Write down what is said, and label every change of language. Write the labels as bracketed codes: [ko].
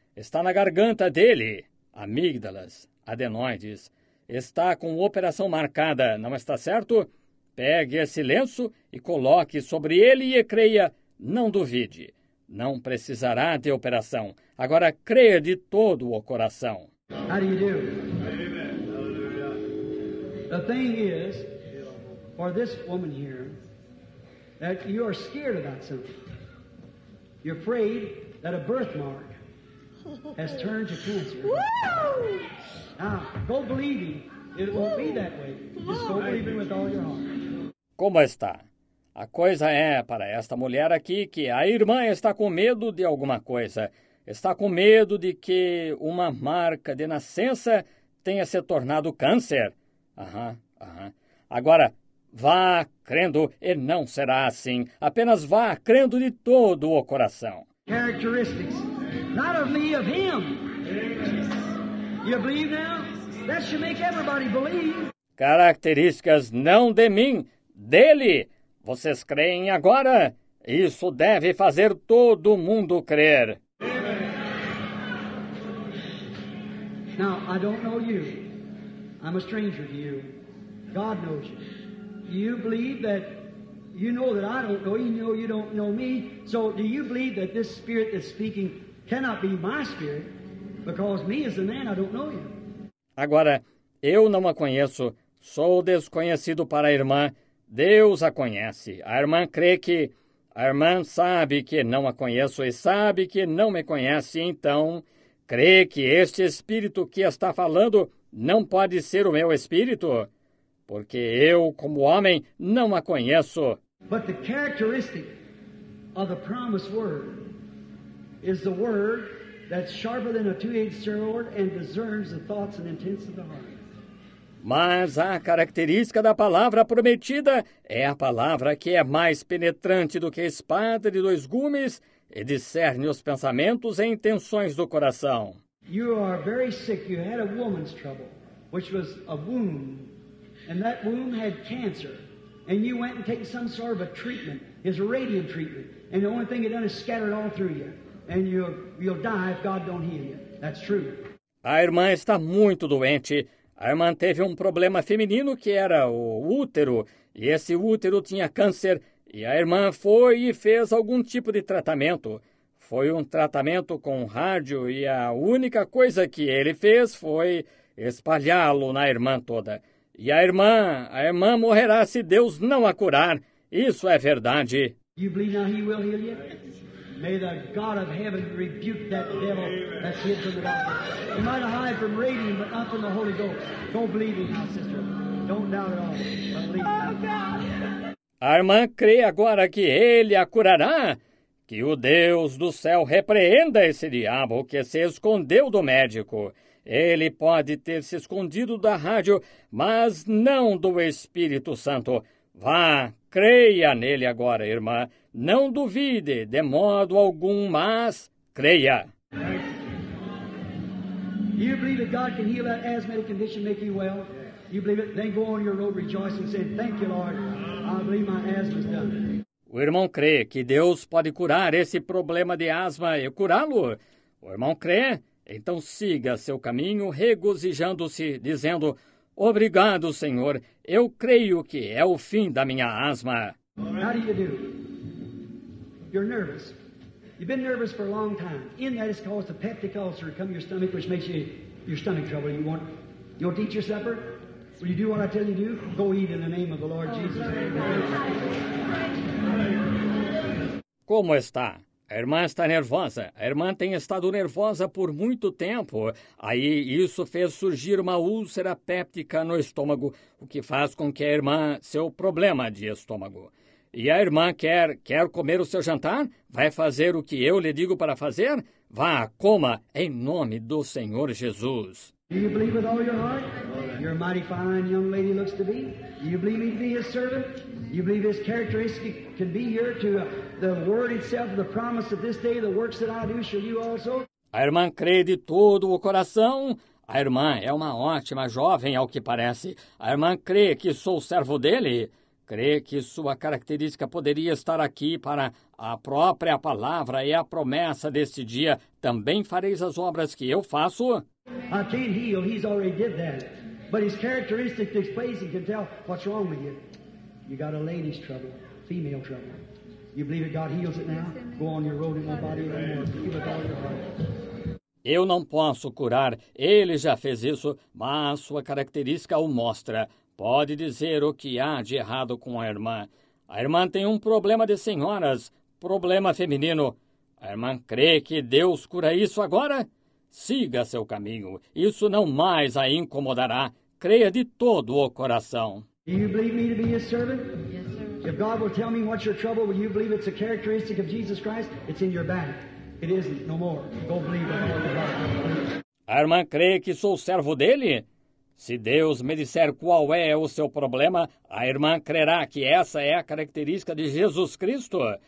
[pt] Está na garganta dele. Amígdalas, adenoides. Está com operação marcada, não está certo? Pegue esse lenço e coloque sobre ele e creia. Não duvide. Não precisará de operação. Agora creia de todo o coração. [en] How do you do? Amen. Hallelujah. The thing is, for this woman here, that you are scared about something. You're afraid that a birthmark has turned to cancer. Woo! Now, go believing. It won't be that way. Just go believing with all your heart. [pt] Como está? A coisa é, para esta mulher aqui, que a irmã está com medo de alguma coisa. Está com medo de que uma marca de nascença tenha se tornado câncer. Aham. Agora, vá crendo e não será assim. Apenas vá crendo de todo o coração. [en] Characteristics. Not of me, of him. You believe now? That should make everybody believe. [pt] Características não de mim, dele. Vocês creem agora? Isso deve fazer todo mundo crer. [en] Now, I don't know you. I'm a stranger to you. God knows you. You believe that you know that I don't know you. You know you don't know me. So do you believe that this spirit that's speaking cannot be my spirit? Because me as a man, I don't know you. [pt] Agora, eu não a conheço. Sou desconhecido para a irmã. Deus a conhece. A irmã crê que... A irmã sabe que não a conheço e sabe que não me conhece, então... Crê que este espírito que está falando não pode ser o meu espírito? Porque eu, como homem, não a conheço. [en] But the characteristic of the promised word is the word that's sharper than a two-edged sword and discerns the thoughts and intents of the heart. [pt] Mas a característica da palavra prometida é a palavra que é mais penetrante do que a espada de dois gumes e discerne os pensamentos e intenções do coração. [en] You are very sick. You had a woman's trouble, which was a womb, and that womb had cancer. And you went and take some sort of a treatment, his radium treatment, and the only thing it done is scatter it all through you. And you'll die if God don't heal you. That's true. [pt] A irmã está muito doente. A irmã teve um problema feminino que era o útero, e esse útero tinha câncer, e a irmã foi e fez algum tipo de tratamento. Foi um tratamento com rádio e a única coisa que ele fez foi espalhá-lo na irmã toda. E a irmã morrerá se Deus não a curar. Isso é verdade. [en] You believe now he will heal you? May the God of heaven rebuke that devil that's hid from the doctor. You might hide from radium, but not from the Holy Ghost. Don't believe it, sister. Don't doubt it all. But believe it. Oh, God. [pt] A irmã crê agora que ele a curará? Que o Deus do céu repreenda esse diabo que se escondeu do médico. Ele pode ter se escondido da rádio, mas não do Espírito Santo. Vá, creia nele agora, irmã. Não duvide de modo algum, mas creia. [en] You believe that God can heal that asthmatic condition, make you well? You believe it? Then go on your road rejoicing and say, thank you, Lord. I believe my asthma's done. [pt] O irmão crê que Deus pode curar esse problema de asma e curá-lo? O irmão crê? Então siga seu caminho regozijando-se, dizendo, obrigado, Senhor, eu creio que é o fim da minha asma. [en] How do you do? You're nervous. You've been nervous for a long time. In that it's caused a peptic ulcer to come to your stomach, which makes your stomach trouble. You want to eat your supper? Will you do what I tell you to do? Go eat in the name of the Lord Jesus. [pt] Como está? A irmã está nervosa. A irmã tem estado nervosa por muito tempo. Aí isso fez surgir uma úlcera péptica no estômago, o que faz com que a irmã seu problema de estômago. E a irmã quer comer o seu jantar? Vai fazer o que eu lhe digo para fazer? Vá, coma, em nome do Senhor Jesus. [en] Do you believe with all your heart? You're a mighty fine young lady looks to be. Do you believe me to be his servant? Do you believe his characteristic can be here to the word itself, the promise of this day, the works that I do, shall you also? [pt] A irmã crê de todo o coração. A irmã é uma ótima jovem, ao que parece. A irmã crê que sou servo dele. Crê que sua característica poderia estar aqui para a própria palavra e a promessa deste dia. Também fareis as obras que eu faço? [en] I can't heal, he's already did that. But his characteristic displays and can tell what's wrong with you. You got a lady's trouble, female trouble. You believe that God heals it now? Go on your road in my body and heal with all your heart. [pt] Eu não posso curar, ele já fez isso, mas sua característica o mostra. Pode dizer o que há de errado com a irmã. A irmã tem um problema de senhoras, problema feminino. A irmã crê que Deus cura isso agora? Siga seu caminho. Isso não mais a incomodará. Creia de todo o coração. [en] Do you believe me to be his servant? Yes, sir. If God will tell me what's your trouble, will you believe it's a characteristic of Jesus Christ? It's in your back. It isn't, no more. Go believe it. [pt] A irmã crê que sou servo dele? Se Deus me disser qual é o seu problema, a irmã crerá que essa é a característica de Jesus Cristo.